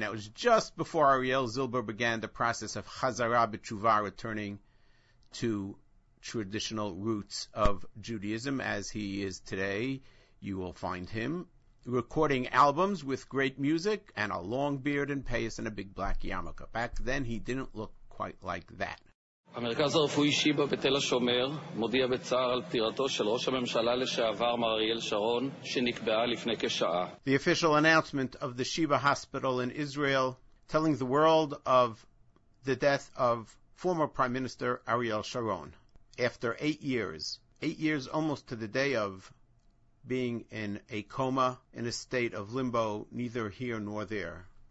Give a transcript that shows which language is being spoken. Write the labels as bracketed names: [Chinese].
[English] That was just before Ariel Zilber began the process of Chazara B'Tshuva, returning to traditional roots of Judaism, as he is today. You will find him recording albums with great music and a long beard and payas and a big black yarmulke. Back then, he didn't look quite like that. [Hebrew] המרכז הרפואי שיבא בתל השומר מודיע בצער על פטירתו של ראש הממשלה לשעבר מר אריאל שרון, שנקבעה לפני כשעה. [English] The official announcement of the Sheba Hospital in Israel, telling the world of the death of former Prime Minister Ariel Sharon. After 8 years, 8 years almost to the day of being in a coma, in a state of limbo, neither here nor there.